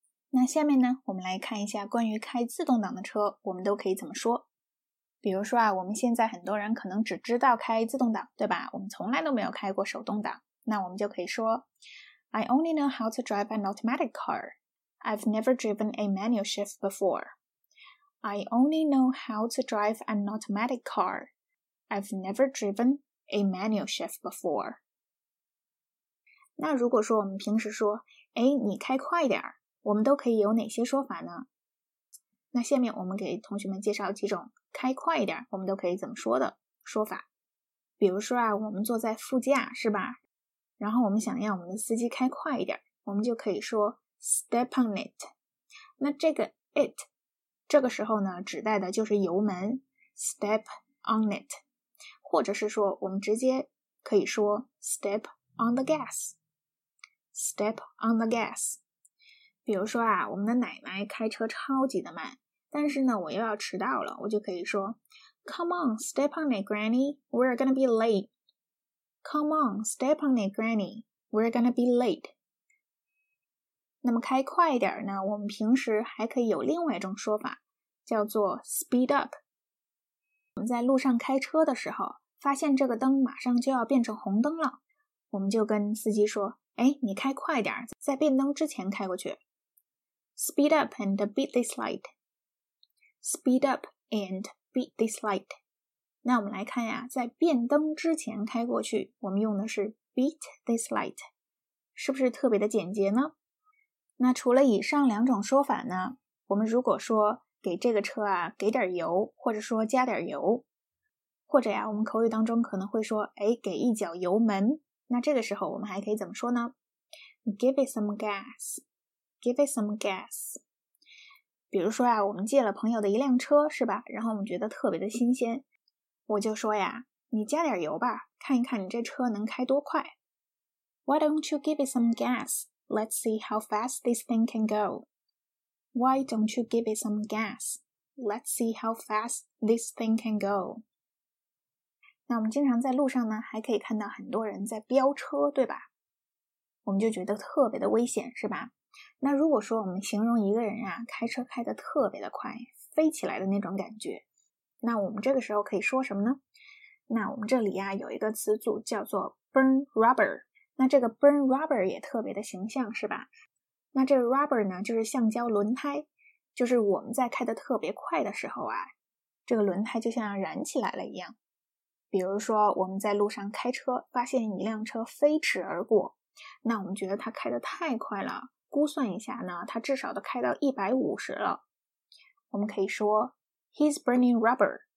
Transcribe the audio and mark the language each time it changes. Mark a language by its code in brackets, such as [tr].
[zh] 那下面呢，我们来看一下关于开自动挡的车我们都可以怎么说。比如说啊，我们现在很多人可能只知道开自动挡，对吧？我们从来都没有开过手动挡，那我们就可以说 [en] I only know how to drive an automatic car. I've never driven a manual shift before. I only know how to drive an automatic car. I've never driven a manual shift before. [zh] 那如果说我们平时说，哎，你开快点，我们都可以有哪些说法呢？那下面我们给同学们介绍几种开快点我们都可以怎么说的说法。比如说啊，我们坐在副驾，是吧？然后我们想让我们的司机开快一点，我们就可以说 [en] step on it。 [zh] 那这个 it 这个时候呢指代的就是油门， step on it。或者是说我们直接可以说 [en] step on the gas， [zh] step on the gas。比如说啊，我们的奶奶开车超级的慢，但是呢我又要迟到了，我就可以说 [en] come on step on it granny， we're gonna be late。 Come on, step on it, granny. We're gonna be late. [zh] 那么开快一点呢，我们平时还可以有另外一种说法，叫做 [en] speed up。 [zh] 我们在路上开车的时候，发现这个灯马上就要变成红灯了，我们就跟司机说，哎，你开快点，在变灯之前开过去。 [en] Speed up and beat this light. Speed up and beat this light. [zh] 那我们来看呀，在变灯之前开过去，我们用的是 [en] beat this light， [zh] 是不是特别的简洁呢？那除了以上两种说法呢，我们如果说给这个车啊给点油，或者说加点油，或者呀我们口语当中可能会说，哎，给一脚油门，那这个时候我们还可以怎么说呢？ [en] Give it some gas， give it some gas。 [zh] 比如说啊，我们借了朋友的一辆车，是吧？然后我们觉得特别的新鲜，我就说呀，你加点油吧，看一看你这车能开多快。 [en] Why don't you give it some gas? Let's see how fast this thing can go. Why don't you give it some gas? Let's see how fast this thing can go. [zh] 那我们经常在路上呢，还可以看到很多人在飙车，对吧？我们就觉得特别的危险，是吧？那如果说我们形容一个人啊，开车开得特别的快，飞起来的那种感觉，那我们这个时候可以说什么呢？那我们这里啊，有一个词组叫做 [en] burn rubber。 [zh] 那这个 [en] burn rubber [zh] 也特别的形象，是吧？那这个 rubber 呢，就是橡胶轮胎，就是我们在开得特别快的时候啊，这个轮胎就像燃起来了一样。比如说我们在路上开车，发现一辆车飞驰而过，那我们觉得它开得太快了，估算一下呢，它至少都开到150了。我们可以说 [en] He's burning rubber.